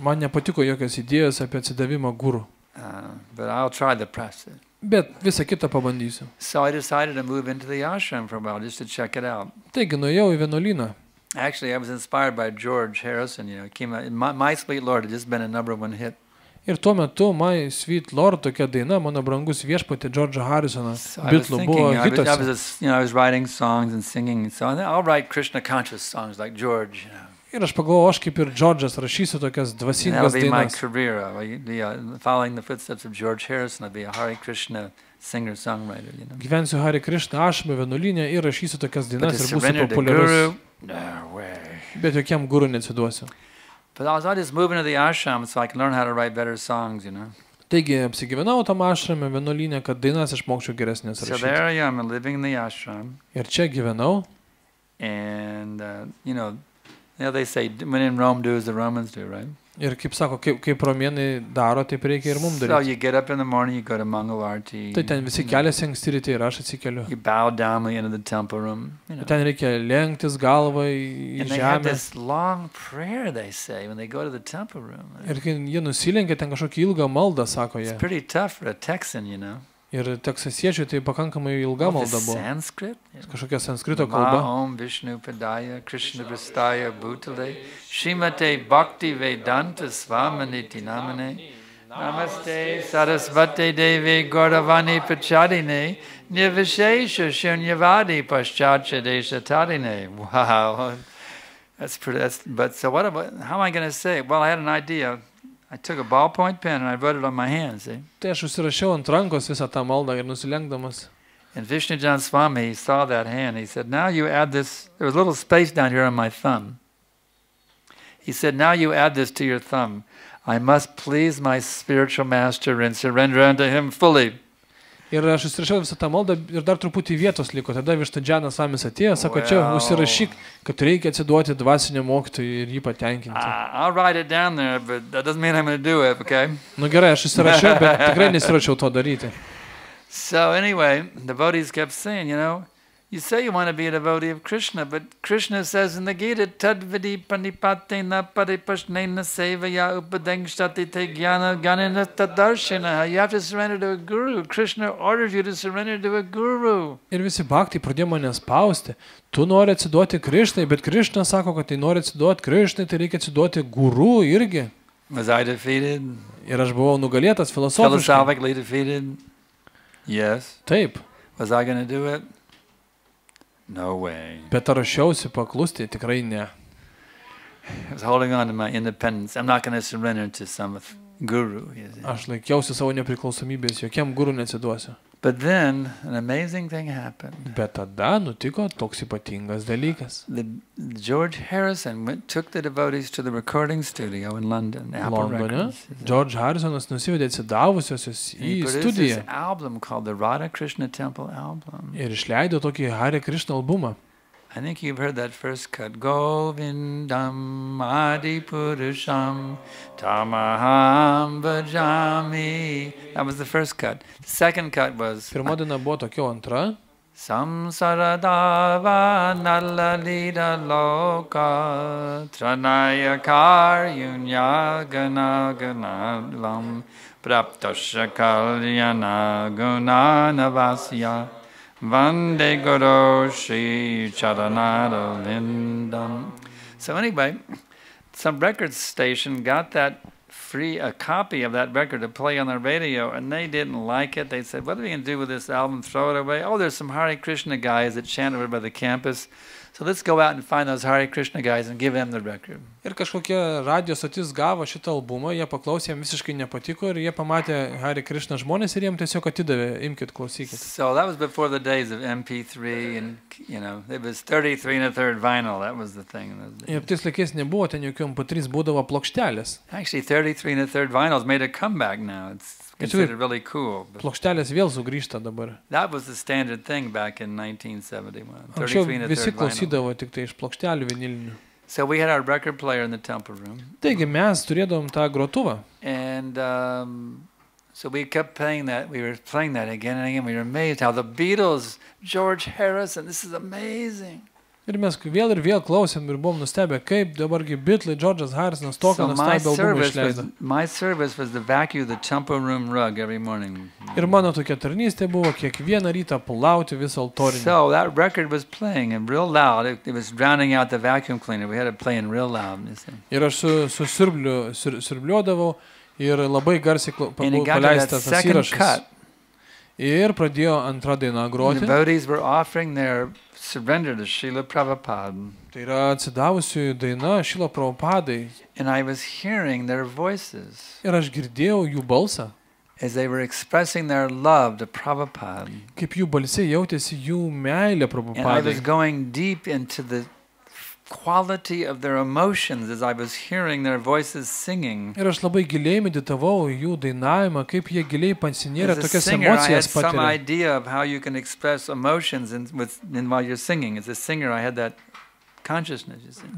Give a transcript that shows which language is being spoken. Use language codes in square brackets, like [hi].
[lt] Man nepatiko jokios idėjos apie atsidavimą guru. [en] But I'll try the process. [lt] Bet visą kitą pabandysiu. [en] So I decided to move into the ashram for a while just to check it out. [lt] Taigi nuėjau į vienuolyną. [en] Actually, I was inspired by George Harrison, you know, came out, my Sweet Lord had just been a number one hit. [lt] Ir tuo metu My Sweet Lord tokia daina, mano brangus viešpatė George Harrisono, bitlų buvo hitose. [en] I was writing songs and singing, so I'll write Krishna conscious songs like George, you know. [lt] Ir aš pagalvojau, aš kaip ir George'as rašysiu tokias dvasingas dainas. [en] Following the footsteps of George Harrison, I'll be a Hare Krishna singer songwriter, you know. [lt] Gyvensiu Hare Krishna ashrame vienuolyne ir rašysiu tokias dainas ir būsiu populiarus. [en] No way. [lt] Bet jokiam guru neatsiduosiu. [en] But I was always moving to the ashram so I could learn how to write better songs, you know. [lt] Taigi apsigyvenau tam ashrame vienuolyne, kad dainas išmokčiau geresnės rašyti. [en] So there I am, living in the ashram. [lt] Ir čia gyvenau. [en] And you know, now they say when in Rome do as the Romans do, right? [lt] Ir kaip sako, kaip romėnai daro, taip reikia ir mums daryti. [en] So you get up in the morning, you go to Mangal Arti. [lt] Tai ten visi keliasi anksti ryte ir aš atsikeliu. [en] You bow down at the end of the temple room. You know. [lt] Ten reikia lenktis galvą į [en] and And they have this long prayer, they say, when they go to the temple room. [lt] Ir kai jie nusilenkia, ten kažkokį ilgą maldą, sako jie. [en] It's pretty tough for a Texan, you know. [lt] Ir teksasiečiui tai pakankamai ilga malda buvo. [en] Sanskrit? [lt] Kažkokia sanskrito kalba. [sa] Om Vishnu Padaya Krishna Vrstaya Bhutale Shrimate Bhakti Vedanta Swamaniti Namane Namaste Sarasvate Devi Gauravani Pacharine Nirvishesha Shunyavadi Paschachade Satarine. Wow. [en] How am I going to say? Well, I had an idea. I took a ballpoint pen and I wrote it on my hands. [lt] Tai aš užsirašiau ant rankos visą tą maldą ir nusilenkdamas. [en] And Vishnujan Swami saw that hand. He said, "Now you add this. There was a little space down here on my thumb." He said, "Now you add this to your thumb. I must please my spiritual master and surrender unto him fully." [lt] Ir aš užsirašiau visą tą maldą ir dar truputį vietos liko. Tada Vishnujanas Swami atėjo, sako, čia užsirašyk, kad reikia atsiduoti dvasiniam mokytojui ir jį patenkinti. [en] I'll write it down there, but that doesn't mean I'm going to do it, okay? [lt] Nu gerai, aš užsirašiau, bet tikrai nesiruošiau to daryti. [en] So anyway, the devotees kept saying, you know, you say you want to be a devotee of Krishna, but Krishna says in the Gita, [sa] tadvidi panipate na paripashnena sevaya upadengshati te jnana ganena tadarshina. [en] You have to surrender to a guru. Krishna ordered you to surrender to a guru. [lt] Ir visi bhakti pradėjo mane spausti. Tu nori atsiduoti Krishnai, bet Krishna sako, kad tai nori atsiduoti Krishnai, tai reikia atsiduoti guru irgi. [en] Was I defeated? [lt] Ir aš buvau nugalėtas filosofiškai. [en] Philosophically defeated? Yes. [lt] Taip. [en] Was I going to do it? No way. [lt] Bet ar ašiausi paklusti? Tikrai ne. [en] I was holding on to my independence. I'm not going to surrender to some guru. [lt] Aš laikiausi savo nepriklausomybės, jokiam guru neatsiduosiu. [en] But then an amazing thing happened. [lt] Bet tada nutiko toks ypatingas dalykas. [en] George Harrison took the devotees to the recording studio in London, Apple [lt] Londone. [en] Records. [lt] George Harrisonas nusivedė atsidavusiosius į studiją. [en] He produced an album called the Radha Krishna Temple album. [lt] Ir išleido tokį Hare Krishna albumą. [en] I think you've heard that first cut. [sa] Govindam Adipurusham Tamaham Vajami. [en] That was the first cut. The second cut was... [lt] Pirma diena buvo tokio antra. [sa] samsara dava nalalida loka tranaya karyunya gana gana lam praptasya kalyana guna navasya vande guru shri charanara lindam. [en] So anyway, some record station got that free, a copy of that record to play on their radio, and they didn't like it. They said, what are we going to do with this album? Throw it away? Oh, there's some Hare Krishna guys that chant over by the campus. So let's go out and find those Hare Krishna guys and give them the record. [lt] Ir kažkokia radio stotis gavo šitą albumą, jie paklausė, jiems visiškai nepatiko ir jie pamatė Hare Krishna žmonės ir jiems tiesiog atidavė, imkit, klausykit. [en] So that was before the days of MP3 and, you know, it was 33 and a third vinyl, that was the thing. [lt] Ir tais laikais nebuvo ten jokių MP3, būdavo plokštelės. [en] Actually, 33 and a third vinyls made a comeback now, it's considered really cool. [lt] Plokštelės vėl sugrįžta dabar. [en] That was the standard thing back in 1971. [lt] Anksčiau visi klausydavo tik tai iš plokštelių vinilinių. [en] So we had our record player in the temple room. [lt] Taigi mes turėdavom tą grotuvą. [en] And so we kept playing that. We were playing that again and again. We were amazed how the Beatles, George Harrison, this is amazing. [lt] Ir mes vėl ir vėl klausėm ir buvom nustebę, kaip dabargi Beatles, George'as Harrison'as tokio nustabę albumą išleido. [en] My service was the vacuum of the temple room rug every morning. [lt] Ir mano tokia tarnystė buvo kiekvieną rytą plauti visą altorinį. [en] So that record was playing and real loud. It was drowning out the vacuum cleaner. We had it playing real loud. [lt] Ir aš su siurbliu siurbliuodavau ir labai garsiai paleistas tas įrašas. Ir pradėjo antrą dainą groti. [en] The devotees were offering their surrender to Srila Prabhupada. [lt] Tai yra atsidavusių daina Srila Prabhupadai. [en] And I was hearing their voices. [lt] Ir aš girdėjau jų balsą. [en] As they were expressing their love to Prabhupada. [lt] Kaip jų balsai jautėsi jų meilė Prabhupadai. [en] And I was going deep into the quality of their emotions as I was hearing their voices singing. [lt] Ir aš labai giliai meditavau jų dainavimą, kaip jie giliai pansinėrė tokias emocijas patyrė. [en] I had some idea of how you can express emotions in while you're singing. As a singer, I had that consciousness, you see.